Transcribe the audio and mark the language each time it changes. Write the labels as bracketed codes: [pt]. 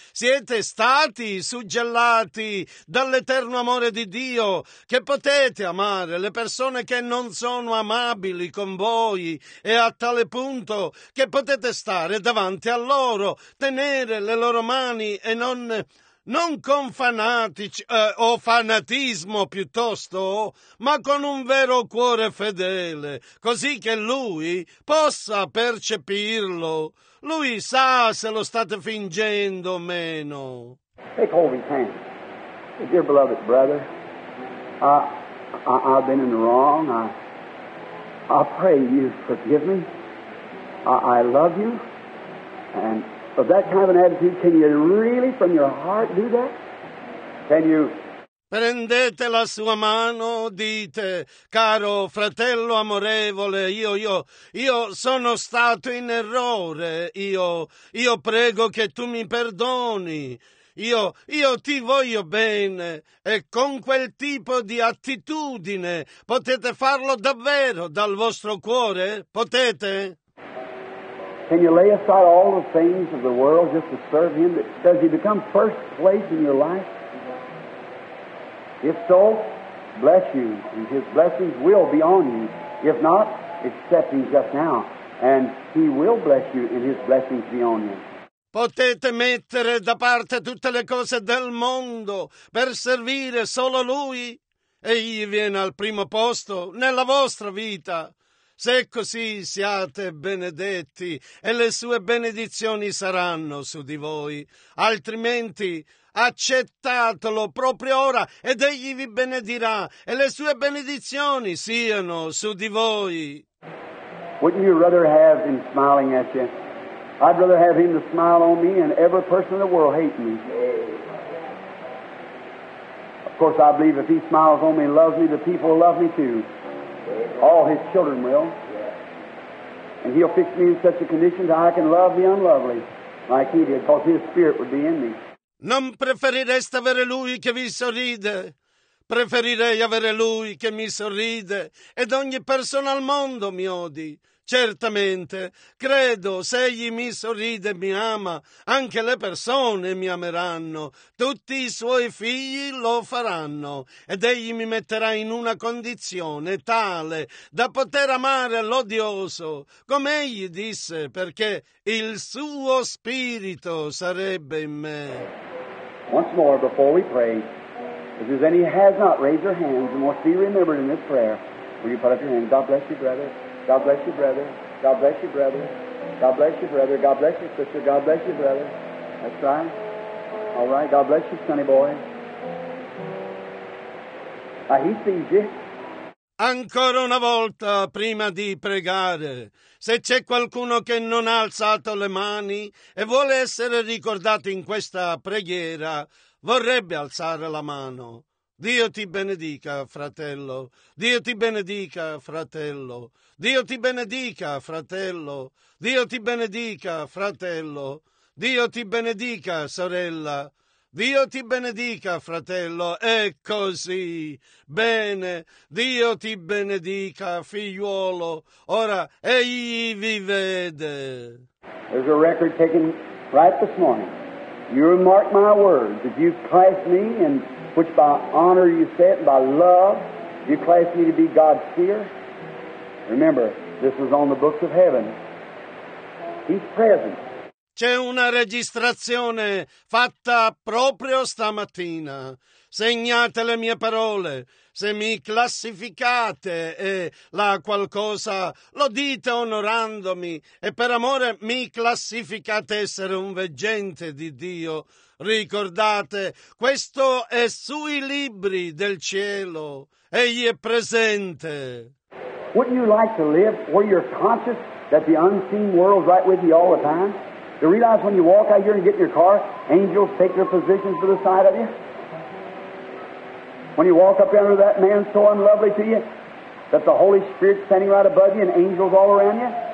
[it] Siete stati suggellati dall'eterno amore di Dio, che potete amare le persone che non sono amabili con voi, e a tale punto che potete stare davanti a loro, tenere le loro mani e non con fanatici o fanatismo piuttosto, ma con un vero cuore fedele, così che lui possa percepirlo. Lui sa se lo state fingendo o meno. [en] Take hold of his hand. Dear beloved brother, I've been in the wrong. I pray you forgive me. I love you. And of that kind of an attitude, can you really, from your heart, do that? Can you? [it] Prendete la sua mano, dite, caro fratello amorevole, io sono stato in errore, io prego che tu mi perdoni. Io ti voglio bene e con quel tipo di attitudine potete farlo davvero dal vostro cuore? Potete? [en] Can you lay aside all the things of the world just to serve Him? Does He become first place in your life? If so, bless you, and His blessings will be on you. If not, accept Him just now, and He will bless you, and His blessings be on you. [it] Potete mettere da parte tutte le cose del mondo per servire solo Lui? Egli viene al primo posto nella vostra vita. Se così siate benedetti e le sue benedizioni saranno su di voi, altrimenti accettatelo proprio ora ed egli vi benedirà e le sue benedizioni siano su di voi. [en] Wouldn't you rather have him smiling at you? I'd rather have him to smile on me and every person in the world hate me. Of course, I believe if he smiles on me and loves me, the people will love me too. All his children will. And he'll fix me in such a condition that I can love the unlovely like he did, because his spirit would be in me. [it] Non preferireste avere lui che vi sorride? Preferirei avere lui che mi sorride ed ogni persona al mondo mi odi. Certamente, credo, se egli mi sorride e mi ama, anche le persone mi ameranno. Tutti i suoi figli lo faranno ed egli mi metterà in una condizione tale da poter amare l'odioso, come egli disse, perché il suo spirito sarebbe in me. [en] Once more, before we pray, if there's any has not raised your hands and wants to be remembered in this prayer, will you put up your hand? God bless you, brother. God bless you, brother. God bless you, brother. God bless you, brother. God bless you, sister. God bless you, brother. That's right. All right. God bless you, sonny boy. He sees you. [it] Ancora una volta, prima di pregare, se c'è qualcuno che non ha alzato le mani e vuole essere ricordato in questa preghiera, vorrebbe alzare la mano. Dio ti benedica, fratello. Dio ti benedica, fratello. Dio ti benedica, fratello. Dio ti benedica, fratello. Dio ti benedica, sorella. Dio ti benedica, fratello, è così. Bene, Dio ti benedica, figliuolo. Ora egli vi vede. [en] There's a record taken right this morning. You mark my words. If you class me, in which by honor you said, by love, you class me to be God's fear. Remember, this is on the books of heaven. He's present. [it] C'è una registrazione fatta proprio stamattina. Segnate le mie parole. Se mi classificate e la qualcosa, lo dite onorandomi. E per amore mi classificate essere un veggente di Dio. Ricordate, questo è sui libri del cielo. Egli è presente. [en] Wouldn't you like to live where you're conscious that the unseen world's right with you all the time? To realize when you walk out here and get in your car, angels take their positions to the side of you. When you walk up under that man so unlovely to you, that the Holy Spirit's standing right above you and angels all around you.